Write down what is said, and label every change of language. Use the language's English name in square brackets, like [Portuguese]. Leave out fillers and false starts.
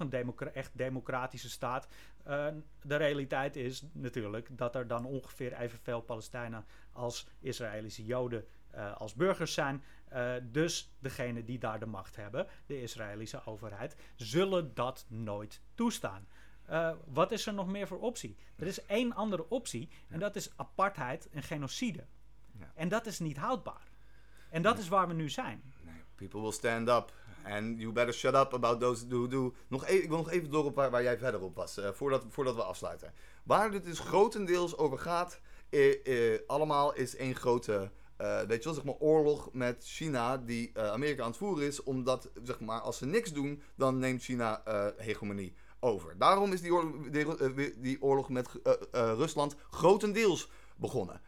[Dutch] Een echt democratische staat. De realiteit is natuurlijk dat er dan ongeveer evenveel Palestijnen als Israëlische Joden als burgers zijn. Dus degene die daar de macht hebben, de Israëlische overheid, zullen dat nooit toestaan. Wat is er nog meer voor optie? Er is één andere optie en dat is apartheid en genocide. Ja. En dat is niet houdbaar. En dat is waar we nu zijn. [English] People will stand up. And you better shut up about those who do. [Dutch] Ik wil nog even door op waar jij verder op was. Voordat we afsluiten. Waar dit dus grotendeels over gaat. Allemaal is één grote. Weet je wel, zeg maar, oorlog met China. Die Amerika aan het voeren is. Omdat, zeg maar, als ze niks doen. Dan neemt China hegemonie over. Daarom is die oorlog met Rusland grotendeels begonnen.